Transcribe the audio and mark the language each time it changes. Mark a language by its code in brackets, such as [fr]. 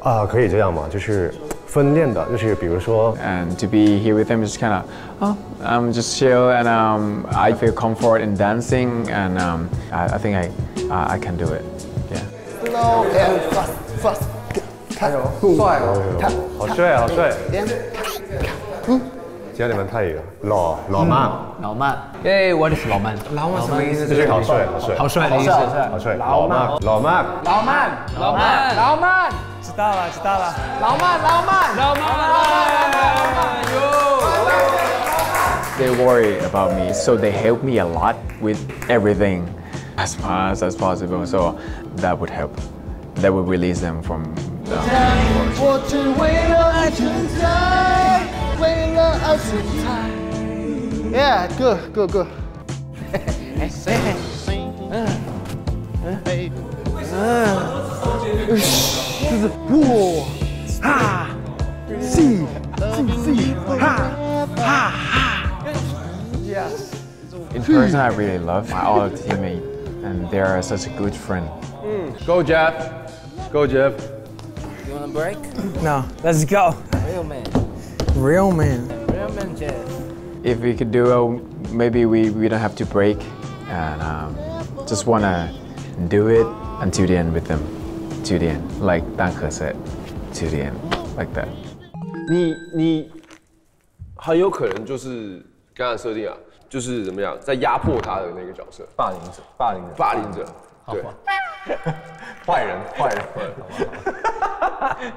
[zh] 可以这样嘛，就是分练的，就是比如说 [en] ，and to be here with him is kind of, I'm just chill and I feel comfort in dancing and I think I can do it, yeah. Slow and fast. [zh] 好帅，好帅！教你们泰语，老老曼，老曼。哎 ， [en] What is [zh] 老曼？老曼什么意思？就是好帅，好帅，好帅的意思，好帅。老曼，老曼，老曼，老曼，老曼。知道了，知道了。老曼，老曼，老曼，老曼，哟。 [en] They worry about me, so they help me a lot with everything, as far as possible. So that would help. That would release them from. [zh] 我只为了爱存在，为了爱存在。 [en] Yeah, good, good, good. In person, I really love my old teammate, and they are such a good friend. Go, Jeff. Go, Jeff. Break? No, let's go. Real man. Real man. Real man, Jeff. If we could do it, maybe we don't have to break. And just want to do it until the end with them. To the end. Like Dan He said. To the end. Like that. [zh] 你很有可能就是刚才设定啊，就是怎么样，在压迫他的那个角色。霸凌者。霸凌者。霸凌者。好坏人，坏人，坏人，好吧。